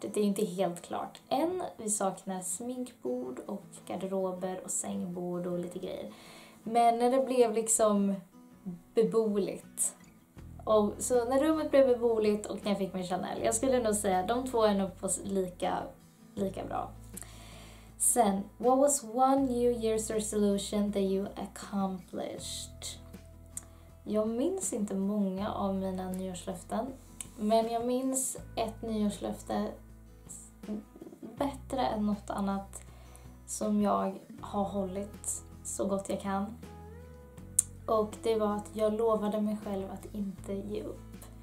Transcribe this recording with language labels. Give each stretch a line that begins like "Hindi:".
Swedish: Det är inte helt klart än. Vi saknar sminkbord och garderober och sängbord och lite grejer. Men när det blev liksom beboeligt. Och så när rummet blev beboeligt och när jag fick min Chanel, jag skulle nog säga de två är nog på lika bra.
English: Sen, what was one New Year's resolution that you accomplished?
Swedish: Jag minns inte många av mina nyårslöften, men jag minns ett nyårslöfte bättre än något annat som jag har hållit så gott jag kan. Och det var att jag lovade mig själv att inte ge upp.